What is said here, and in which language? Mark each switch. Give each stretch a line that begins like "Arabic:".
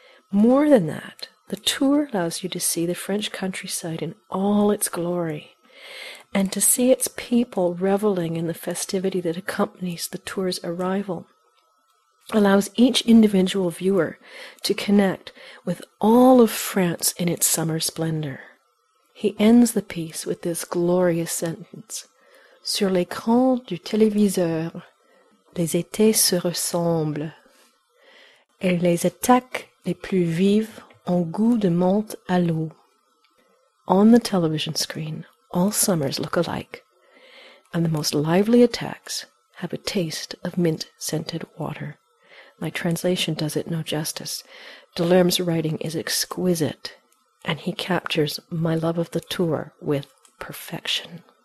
English: More than that, the Tour allows you to see the French countryside in all its glory, and to see its people reveling in the festivity that accompanies the Tour's arrival, allows each individual viewer to connect with all of France in its summer splendor. He ends the piece with this glorious sentence,
French: "Sur l'écran du téléviseur, les étés se ressemblent, et les attaques les plus vives en goût de menthe à l'eau."
English: On the television screen, all summers look alike, and the most lively attacks have a taste of mint-scented water. My translation does it no justice. Delerme's writing is exquisite, and he captures my love of the Tour with perfection.